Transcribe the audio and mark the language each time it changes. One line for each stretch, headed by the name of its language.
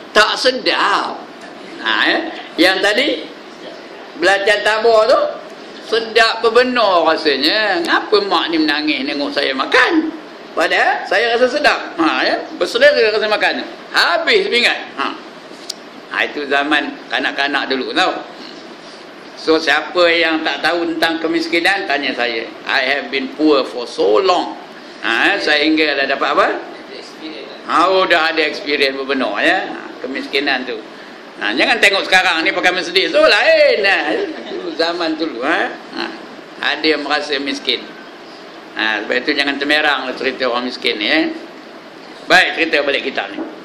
Malay: Tak sedap. Ha, ya. Yang tadi belacan tabur tu sedap berbenar rasanya. Kenapa mak ni menangis tengok saya makan? Padahal saya rasa sedap. Ha, ya. Berselera rasa makan. Habis sepinggan. Ha. Ha, itu zaman kanak-kanak dulu tau. So siapa yang tak tahu tentang kemiskinan, tanya saya.
English: I have been poor for so long.
Malay: Ha, sehingga dah dapat apa? Ha, oh, dah ada experience berbenar ya. Ha, kemiskinan tu. Ha, jangan tengok sekarang ni pakai Mercedes tu lain. Ha, zaman dulu. Ha? Ha, ada yang merasa miskin. Ha, sebab itu jangan temerang cerita orang miskin ni. Ya? Baik, cerita balik kita ni.